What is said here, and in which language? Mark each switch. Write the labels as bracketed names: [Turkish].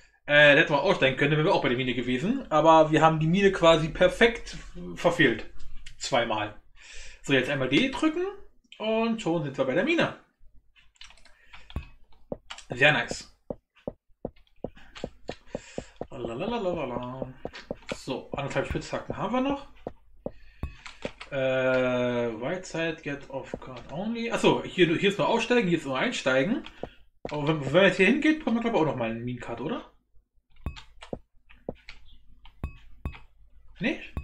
[German] Da hätten wir aussteigen können, dann wären wir auch bei der Mine gewesen. Aber wir haben die Mine quasi perfekt verfehlt. Zweimal. So, jetzt einmal D drücken. Und schon sind wir bei der Mine. Sehr nice. Lalalala. So, anderthalb Spitzhacken haben wir noch. [English] Whiteside, get off card only. [German] Achso, hier ist nur aussteigen, hier ist nur einsteigen. Aber wenn man jetzt hier hingeht, kommt man glaube ich auch noch mal einen Minecart, oder? Nee?